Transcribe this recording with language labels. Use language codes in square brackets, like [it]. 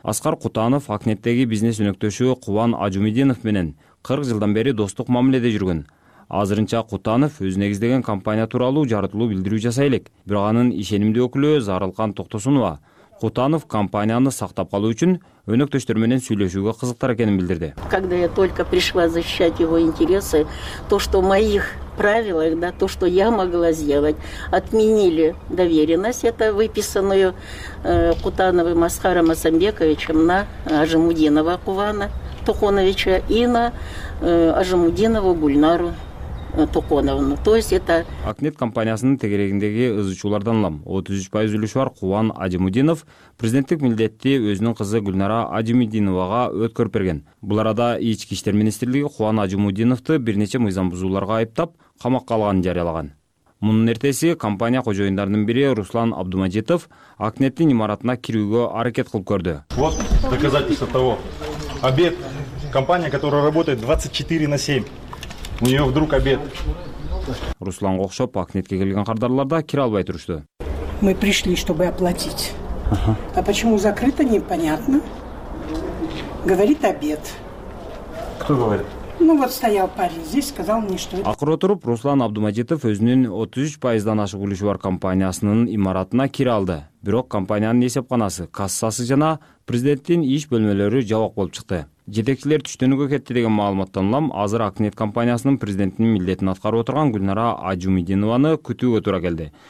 [ky] Аскар Кутанов Акнеттеги бизнес өнөктөшү Кубан Ажумединов менен 40 жылдан бери достук мамиледе жүргөн. Азырынча Кутанов өзү негиздеген компания тууралуу жарытылуу билдирүү жасай элек. Бирок анын ишенимдүү өкүлү Зарылкан Токтосунова Кутанов компанияны сактап калуу үчүн өнөктөштөр менен сүйлөшүүгө кызыктар экенин билдирди. [ru] Когда я только пришла защищать его интересы, то что в моих правилах, да, то что я могла сделать, отменили доверенность эту выписанную Кутановым Аскаром Асамбековичем на Ажумединова Кувана Тухоновича и на Ажумудинову Гульнару Токоновну. То есть это [ky] Акнет компаниясынын тегерегиндеги ызычуулардан улам 33% үлүшү бар Кубан Ажымудинов президенттик милдетти өзүнүн кызы Гүлнара Ажымудиноваға өткөрүп берген. Бул арада ички иштер министрлиги Кубан Ажымудиновду бир нече мыйзам бузууларга айыптап камакка алганын жарыялаган. Мунун эртеси компания кожоюндарынын бири Руслан Абдымажитов Акнеттин имаратына кирүүгө аракет кылып көрдү. [ru] Вот доказательство того. Обед. Компания, которая работает 24/7. У неё вдруг обед. [ky] Руслан окшоп Акнетке келген кардарлар да кире албай турушту. [ru] Мы пришли, чтобы оплатить. А почему закрыто, непонятно. Говорит обед. Кто говорит? Ну вот стоял парень здесь, сказал мне, что [ky] Акыр отуруп Руслан Абдымажитов өзүнүн 33%дан ашык үлүшү бар компаниясынын имаратына кире алды. Бирок компаниянын эсепканасы, кассасы жана президенттин иш бөлмөлөрү жабык болуп чыкты. Жетекчилер түштөнүүгө кетти деген маалыматтан улам азыр Акнет компаниясынын президентинин милдетин аткарып отурган Гүлнара Ажумединованы күтүүгө туура келди.